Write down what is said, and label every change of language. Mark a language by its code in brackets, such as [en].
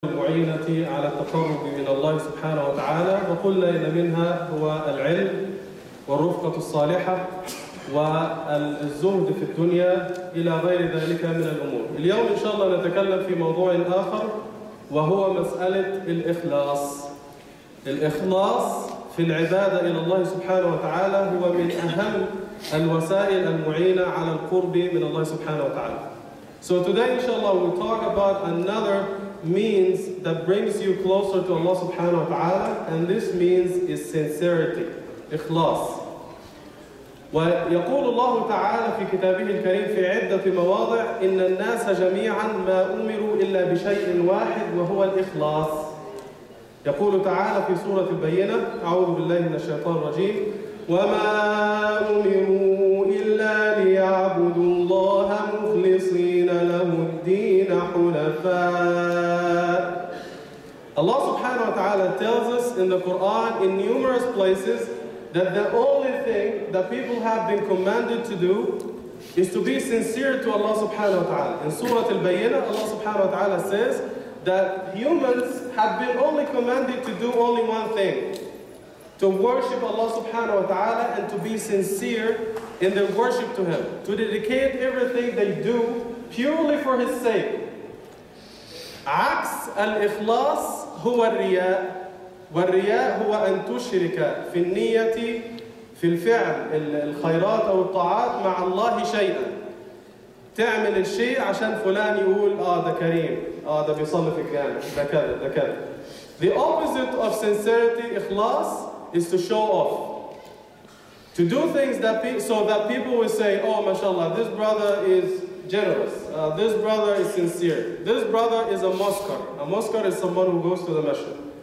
[ar] المعينة على التقرب من الله سبحانه وتعالى، وكل إن منها هو العلم والرفقة الصالحة والزهد في الدنيا إلى غير ذلك من الأمور. اليوم إن شاء الله نتكلم في موضوع آخر، وهو مسألة الإخلاص. الإخلاص في العبادة إلى الله سبحانه وتعالى هو من أهم الوسائل المعينة على القرب من الله سبحانه وتعالى. [en] So today inshallah we'll talk about another means that brings you closer to Allah subhanahu wa ta'ala, and this means is sincerity, ikhlas. [ar] ويقول الله تعالى في كتابه الكريم في عدة مواضع إن الناس جميعا ما أمروا إلا بشيء واحد وهو الإخلاص. يقول تعالى في سورة البينة، أعوذ بالله من الشيطان الرجيم، وما أمروا إلا ليعبدوا الله مخلصين له الدين حنفاء. الله سبحانه وتعالى [en] tells us in the Quran in numerous places that the only thing that people have been commanded to do is to be sincere to Allah subhanahu wa ta'ala. In Surah Al-Bayyinah, Allah subhanahu wa ta'ala says that humans have been only commanded to do only one thing, to worship Allah subhanahu wa ta'ala and to be sincere in their worship to Him, to dedicate everything they do purely for His sake. [ar] عكس الإخلاص هو الرياء، والرياء هو أن تشرك في النية في الفعل الخيرات أو الطاعات مع الله شيئا، تعمل الشيء عشان فلان يقول آه ده كريم، آه ده بيصلي في الجامع، ده كذا ده كذا. [en] The opposite of sincerity, إخلاص, is to show off. To do things that so that people will say, oh mashallah, this brother is generous. This brother is sincere. This brother is a muskar. A muskar is someone who goes to the masjid.